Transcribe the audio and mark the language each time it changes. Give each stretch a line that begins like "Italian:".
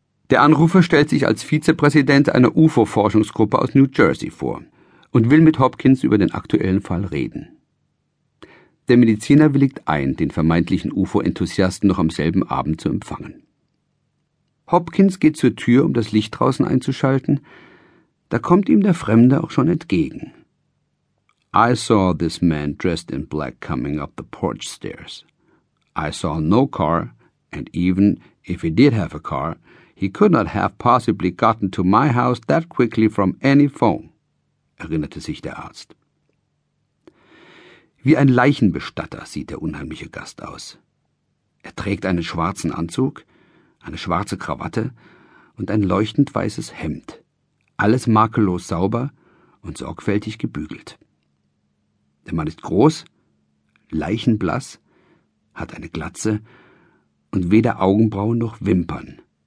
German: Der Anrufer stellt sich als Vizepräsident einer UFO-Forschungsgruppe aus New Jersey vor und will mit Hopkins über den aktuellen Fall reden. Der Mediziner willigt ein, den vermeintlichen UFO-Enthusiasten noch am selben Abend zu empfangen. Hopkins geht zur Tür, um das Licht draußen einzuschalten. Da kommt ihm der Fremde auch schon entgegen.
English: »I saw this man dressed in black coming up the porch stairs. I saw no car, and even if he did have a car, he could not have possibly gotten to my house that quickly from any phone«,
German: erinnerte sich der Arzt. Wie ein Leichenbestatter sieht der unheimliche Gast aus. Er trägt einen schwarzen Anzug, eine schwarze Krawatte und ein leuchtend weißes Hemd, alles makellos sauber und sorgfältig gebügelt. Der Mann ist groß, leichenblass, hat eine Glatze und weder Augenbrauen noch Wimpern.